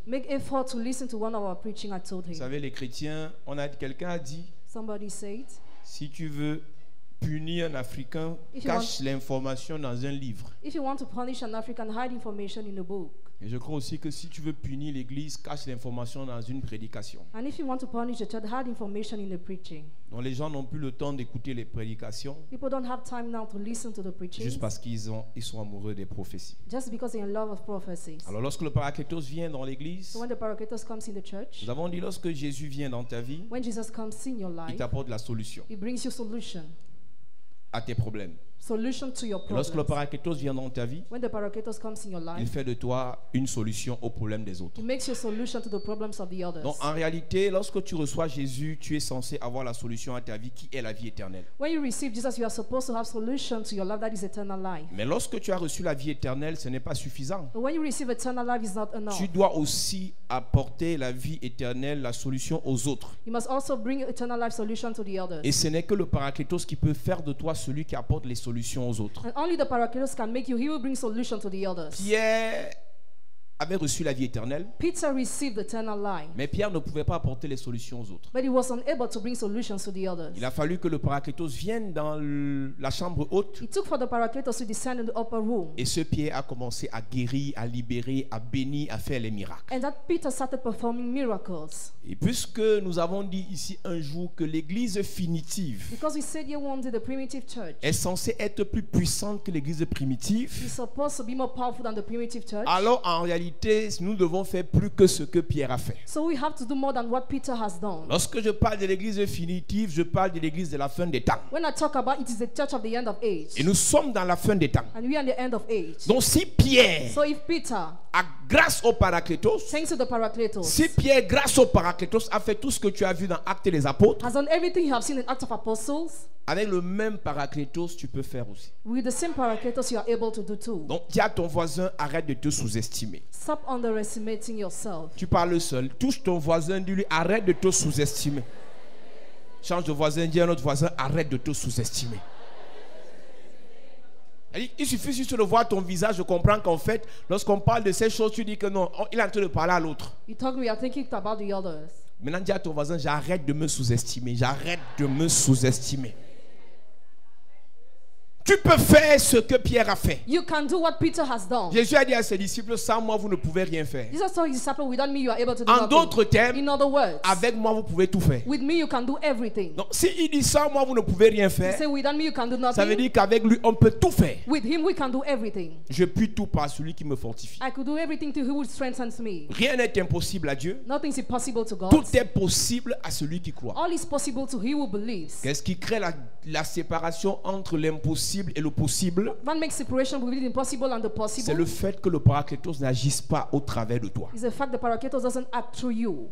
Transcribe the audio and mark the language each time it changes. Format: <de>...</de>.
<en>Make effort to listen to one of our preaching, I told him.</en> <fr>Vous savez, les chrétiens, on a quelqu'un a dit.</fr> <en>Somebody said.</en> <fr>Si tu veux punir un Africain, cache l'information dans un livre.</fr> <en>If you want to punish an African, hide information in a book.</en> <fr>Et je crois aussi que si tu veux punir l'Église, cache l'information dans une prédication.</fr> <en>And if you want to punish the church, hide information in the preaching.</en> <fr>Donc les gens n'ont plus le temps d'écouter les prédications.</fr> <en>People don't have time now to listen to the preaching.</en> <fr>Juste parce qu'ils sont amoureux des prophéties.</fr> <en>Just because they're in love of prophecies.</en> <fr>Alors lorsque le Paracletos vient dans l'Église,</fr> <en>so when the Paracletos comes in the church,</en> <fr>nous avons dit lorsque Jésus vient dans ta vie,</fr> <en>when Jesus comes in your life,</en> <fr>il t'apporte la solution.</fr> <en>He brings you solution.</en> <fr>À tes problèmes.</fr> <en>Solution to your problems.</en> <fr>Lorsque le Paracletos vient dans ta vie,</fr> <en>when the Paracletos comes in your life,</en> <fr>il fait de toi une solution aux problèmes des autres.</fr> <en>It makes you a solution to the problems of the others.</en> <fr>Donc en réalité, lorsque tu reçois Jésus, tu es censé avoir la solution à ta vie qui est la vie éternelle.</fr> <en>When you receive Jesus, you are supposed to have solution to your life that is eternal life.</en> <fr>Mais lorsque tu as reçu la vie éternelle, ce n'est pas suffisant.</fr> <en>But when you receive eternal life, it's not enough.</en> <fr>Tu dois aussi apporter la vie éternelle, la solution aux autres.</fr> <en>You must also bring eternal life solution to the others.</en> <fr>Et ce n'est que le Paracletos qui peut faire de toi celui qui apporte les solutions aux autres.</fr> <en>And only the Paracletos can make you. He will bring solution to the others.</en> <fr>Pierre avait reçu la vie éternelle.</fr> <en>Peter received eternal life.</en> <fr>Mais Pierre ne pouvait pas apporter les solutions aux autres.</fr> <en>But he was unable to bring solutions to the others.</en> <fr>Il a fallu que le Paracletos vienne dans la chambre haute.</fr> <en>It took for the Paracletos to descend in the upper room.</en> <fr>Et ce Pierre a commencé à guérir, à libérer, à bénir, à faire les miracles.</fr> <en>And that Peter started performing miracles.</en> <fr>Et puisque nous avons dit ici un jour que l'église finitive,</fr> <en>because we said here one day the primitive church,</en> <fr>est censée être plus puissante que l'église primitive.</fr> <en>It's supposed to be more powerful than the primitive church.</en> <fr>Alors en réalité, nous devons faire plus que ce que Pierre a fait.</fr> <en>So we have to do more than what Peter has done.</en> <fr>Lorsque je parle de l'église définitive, je parle de l'église de la fin des temps.</fr> <en>When I talk about it, it's the church of the end of age.</en> <fr>Et nous sommes dans la fin des temps.</fr> <en>And we are in the end of age.</en> <fr>Donc si Pierre,</fr> <en>so if Peter,</en> <fr>a grâce au Paracletos,</fr> <en>thanks to the Paracletos,</en> <fr>si Pierre, grâce au Paracletos, a fait tout ce que tu as vu dans Actes des Apôtres,</fr> <en>has done everything you have seen in Acts of Apostles.</en> <fr>Avec le même Paracletos, tu peux faire aussi.</fr> <en>With the same Paracletos, you are able to do too.</en> <fr>Donc, dis à ton voisin, arrête de te sous-estimer.</fr> <en>Stop underestimating yourself.</en> <fr>Tu parles seul. Touche ton voisin, dis-lui, arrête de te sous-estimer. Change de voisin, dis à un autre voisin, arrête de te sous-estimer. Il suffit juste de voir ton visage, je comprends qu'en fait, lorsqu'on parle de ces choses, tu dis que non, il est en train de parler à l'autre.</fr> <en>You talk, you are thinking about the others.</en> <fr>Maintenant, dis à ton voisin, j'arrête de me sous-estimer. J'arrête de me sous-estimer. Tu peux faire ce que Pierre a fait.</fr> <en>You can do what Peter has done.</en> <fr>Jésus a dit à ses disciples, sans moi, vous ne pouvez rien faire.</fr> <en>Jesus told his disciples, without me, you are able to do nothing.</en> <fr>En d'autres termes,</fr> <en>in other words,</en> <fr>avec moi, vous pouvez tout faire.</fr> <en>With me, you can do everything.</en> <fr>Donc, si il dit sans moi, vous ne pouvez rien faire,</fr> <en>he said, without me, you can do nothing.</en> <fr>Ça veut dire qu'avec lui, on peut tout faire.</fr> <en>With him, we can do everything.</en> <fr>Je puis tout par celui qui me fortifie.</fr> <en>I could do everything to him who strengthens me.</en> <fr>Rien n'est impossible à Dieu.</fr> <en>Nothing is possible to God.</en> <fr>Tout est possible à celui qui croit.</fr> <en>All is possible to he who believes.</en> <fr>Qu'est-ce qui crée la séparation entre l'impossible et le possible?</fr> <en>What makes separation between the impossible and the possible?</en> <fr>C'est le fait que le Paracletos n'agisse pas au travers de toi.</fr> <en>It's the fact the Paracletos doesn't act through you.</en>